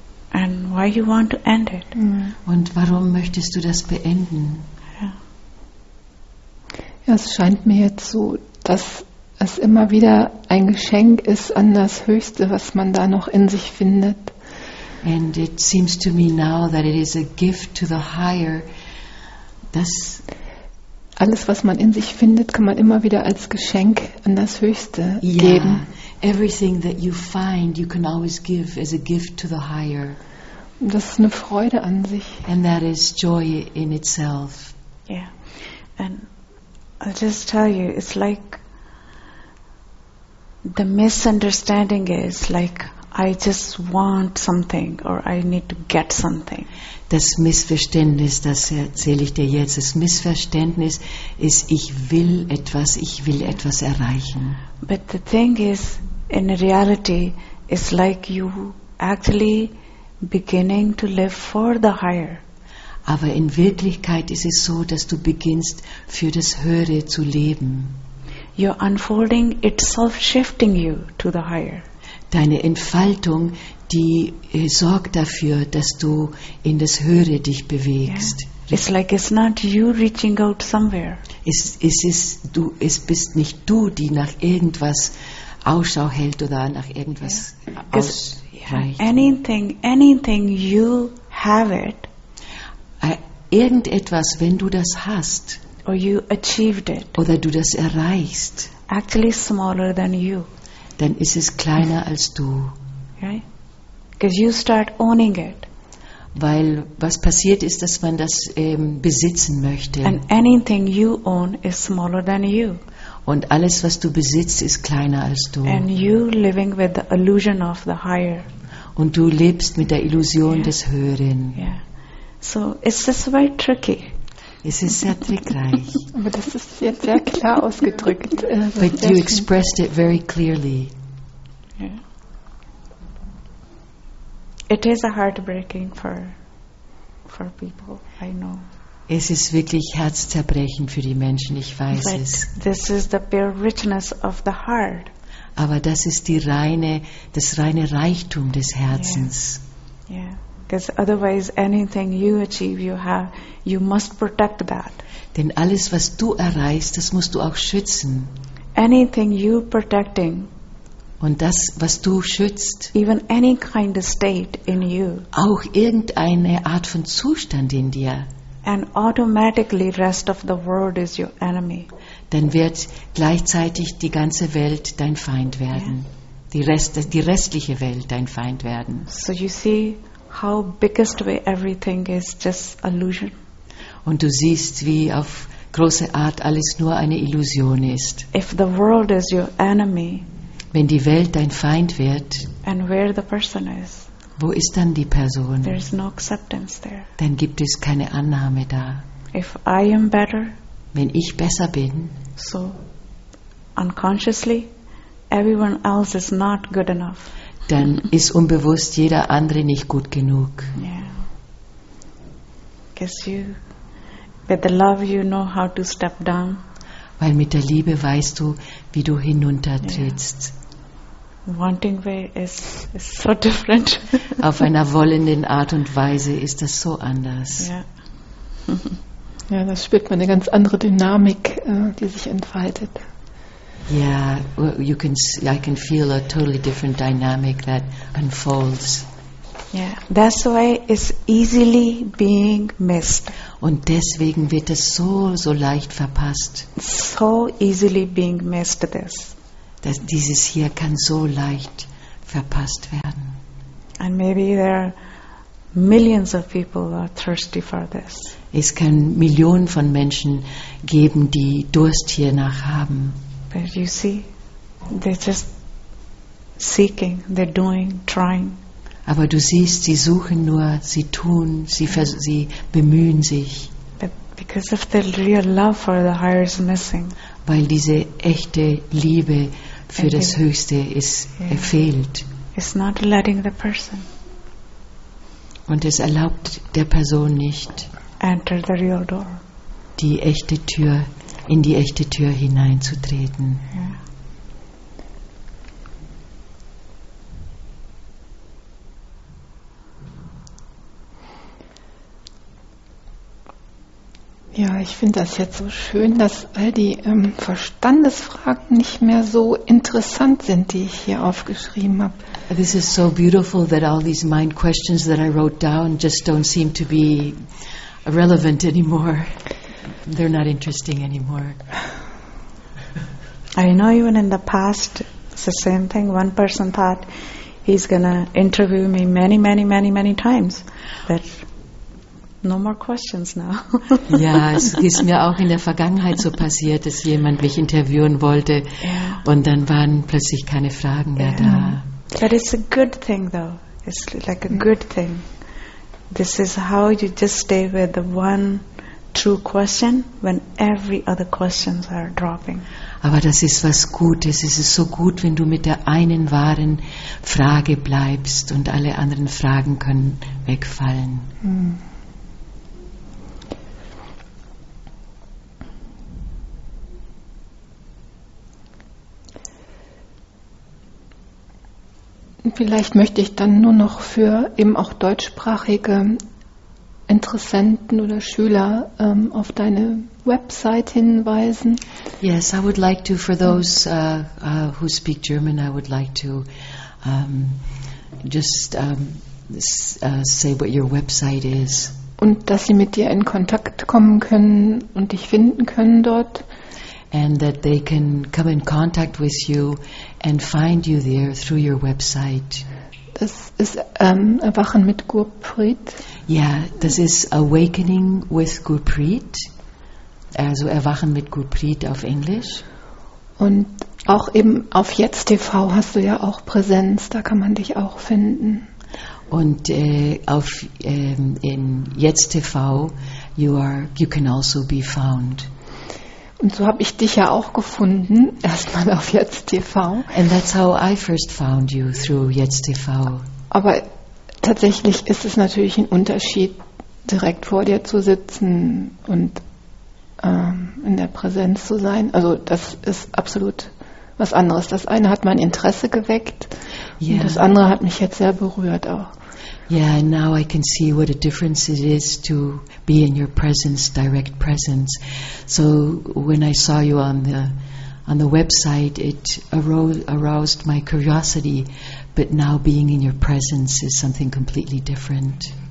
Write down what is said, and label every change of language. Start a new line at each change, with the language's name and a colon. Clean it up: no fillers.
English: And why you want to end it? Mm.
German: Und warum möchtest du das beenden? Ja, es scheint mir jetzt so, dass es immer wieder ein Geschenk ist an das Höchste, was man da noch in sich findet.
English: And it seems to me now that it is a gift to the higher,
German: dass alles, was man in sich findet, kann man immer wieder als Geschenk an das Höchste geben.
English: Everything that you find, you can always give as a gift to the higher.
German: Und das ist eine Freude an sich.
English: And that is joy in itself. Yeah. And I'll just tell you, it's like the misunderstanding is like, I just want something or I need to get something.
German: Das Missverständnis, das erzähle ich dir jetzt, das Missverständnis ist, ich will etwas erreichen.
English: But the thing is, in reality, it's like you actually beginning to live for the higher.
German: Aber in Wirklichkeit ist es so, dass du beginnst, für das Höhere zu leben.
English: You're unfolding itself, shifting you to the higher.
German: Deine Entfaltung, die sorgt dafür, dass du in das Höhere dich bewegst.
English: Yeah. It's like it's not you reaching out somewhere.
German: Es bist nicht du, die nach irgendwas Ausschau hält oder nach irgendwas ausreicht.
English: Anything you have it.
German: Irgendetwas, wenn du das hast.
English: Or you achieved it.
German: Oder du das erreichst.
English: Actually smaller than you.
German: Dann ist es kleiner als du.
English: Right? You start owning it.
German: Weil was passiert ist, dass man das besitzen möchte.
English: And anything you own is smaller than you.
German: Und alles, was du besitzt, ist kleiner als du.
English: And you living with the illusion of the higher.
German: Und du lebst mit der Illusion des Höheren.
English: Yeah. So it's just very tricky.
German: Es ist sehr trickreich. Aber das ist jetzt sehr klar ausgedrückt.
English: But you expressed it very clearly. Yeah. It is a heartbreaking for people, I know.
German: Es ist wirklich herzzerbrechend für die Menschen, ich weiß
English: But
German: es.
English: This is the pure richness of the heart.
German: Aber das ist das reine Reichtum des Herzens.
English: Yeah. Yeah. Because otherwise, anything you achieve, you have, you must protect that.
German: Denn alles, was du erreichst, das musst du auch schützen.
English: Anything you protecting.
German: Und das, was du schützt.
English: Even any kind of state in you.
German: Auch irgendeine Art von Zustand in dir.
English: And automatically, rest of the world is your enemy.
German: Dann wird gleichzeitig die ganze Welt dein Feind werden. Yeah. Die restliche Welt dein Feind werden.
English: So you see. How biggest way everything is just illusion.
German: Und du siehst, wie auf große Art alles nur eine Illusion ist.
English: If the world is your enemy,
German: wenn die Welt dein Feind wird,
English: and where the person is,
German: wo ist dann die Person?
English: There is no acceptance there.
German: Dann gibt es keine Annahme da.
English: If I am better,
German: wenn ich besser bin,
English: so unconsciously, everyone else is not good enough.
German: Dann ist unbewusst jeder andere nicht gut genug.
English: Yeah. You, with the love you know how to step down.
German: Weil mit der Liebe weißt du, wie du hinuntertrittst.
English: Yeah. Wanting way is so different.
German: Auf einer wollenden Art und Weise ist das so anders.
English: Yeah.
German: Ja, das spürt man eine ganz andere Dynamik, die sich entfaltet.
English: Yeah, you can. I can feel a totally different dynamic that unfolds. Yeah, that's why it's easily being missed.
German: Und deswegen wird es so leicht verpasst.
English: So easily being missed. This.
German: Dass dieses hier kann so leicht verpasst werden.
English: And maybe there are Millions of people are thirsty for this.
German: Es kann Millionen von Menschen geben, die Durst hier nach haben.
English: But you see, they're just seeking, they're doing, trying.
German: Aber du siehst, sie suchen nur, sie tun, sie bemühen sich.
English: But because of the real love for the higher is missing.
German: Weil diese echte Liebe für das Höchste ist, fehlt.
English: It's not letting the person.
German: Und es erlaubt der Person nicht,
English: enter the real door.
German: Die echte Tür, in die echte Tür hineinzutreten. Ja, ich finde das jetzt so schön, dass all die Verstandesfragen nicht mehr so interessant sind, die ich hier aufgeschrieben habe.
English: This is so beautiful that all these mind questions that I wrote down just don't seem to be relevant anymore. They're not interesting anymore. I know even in the past, it's the same thing. One person thought he's going to interview me many, many, many, many times. But no more questions now.
German: Ja, es ist mir auch in der Vergangenheit so passiert, dass jemand mich interviewen wollte und dann waren plötzlich keine Fragen mehr da.
English: But it's a good thing though. It's like a good thing. This is how you just stay with the one true question when every other questions are dropping.
German: Aber das ist was Gutes. Es ist so gut, wenn du mit der einen wahren Frage bleibst und alle anderen Fragen können wegfallen. Vielleicht möchte ich dann nur noch für eben auch deutschsprachige Interessenten oder Schüler auf deine Website hinweisen.
English: Yes, I would like to, for those who speak German, I would like to say what your website is.
German: Und dass sie mit dir in Kontakt kommen können und dich finden können dort.
English: And that they can come in contact with you and find you there through your website.
German: Das ist Erwachen mit Gurpreet. Yeah, das ist Awakening with Gurpreet. Also Erwachen mit Gurpreet auf Englisch. Und auch eben auf Jetzt TV hast du ja auch Präsenz, da kann man dich auch finden. Und auf in
English: Jetzt TV you can also be found.
German: Und so habe ich dich ja auch gefunden, erstmal auf Jetzt TV.
English: And that's how I first found you, through Jetzt TV.
German: Aber tatsächlich ist es natürlich ein Unterschied, direkt vor dir zu sitzen und in der Präsenz zu sein. Also das ist absolut was anderes. Das eine hat mein Interesse geweckt und das andere hat mich jetzt sehr berührt auch.
English: Yeah, and now I can see what a difference it is to be in your presence, direct presence. So when I saw you on the website, it aroused my curiosity, but now being in your presence is something completely different.